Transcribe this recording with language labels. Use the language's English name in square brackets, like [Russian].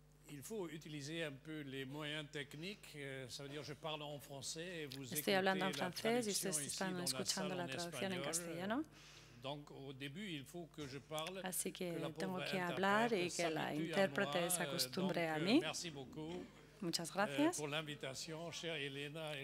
[French] Il faut utiliser un peu les moyens techniques, ça veut dire je parle en français et vous [Spanish] estoy hablando en la francés y ustedes están escuchando la traducción en castellano. [French] Donc, au début, il faut que je parle, [Spanish] así que, que la tengo que hablar y que la intérprete se acostumbre [French] donc, [Spanish] a mí. [French] Merci beaucoup. [Spanish] Muchas gracias. Por la invitación, [French] chère Elena et